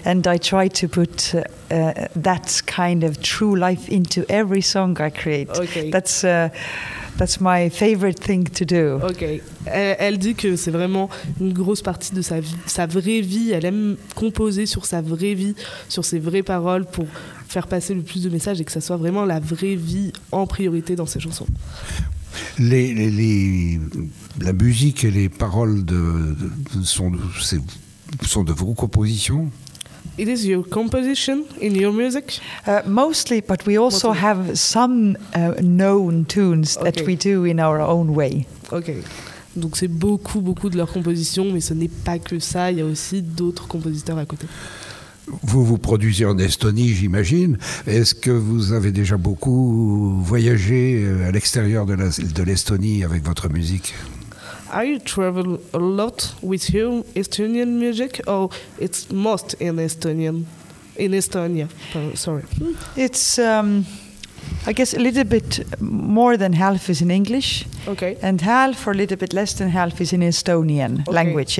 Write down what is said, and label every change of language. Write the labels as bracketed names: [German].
[English] And I try to put that kind of true life into every song I create. Okay. That's my favorite thing to do. Okay. [French] Elle dit que c'est vraiment une grosse partie de sa vraie vie. Elle aime composer sur sa vraie vie, sur ses vraies paroles pour faire passer le plus de messages et que ça soit vraiment la vraie vie en priorité dans ses chansons. La musique et les paroles sont de vos compositions. [English] It is your composition in your music? Mostly, but we also have some known tunes that we do in our own way. Okay. [French] Donc c'est beaucoup, beaucoup de leurs compositions, mais ce n'est pas que ça, il y a aussi d'autres compositeurs à côté. Vous vous produisez en Estonie, j'imagine. Est-ce que vous avez déjà beaucoup voyagé à l'extérieur de l'Estonie avec votre musique? [English] Are you travel a lot with your Estonian music, or it's most in Estonian, in Estonia? Sorry, it's I guess a little bit more than half is in English. Okay. And half, or a little bit less than half, is in Estonian language.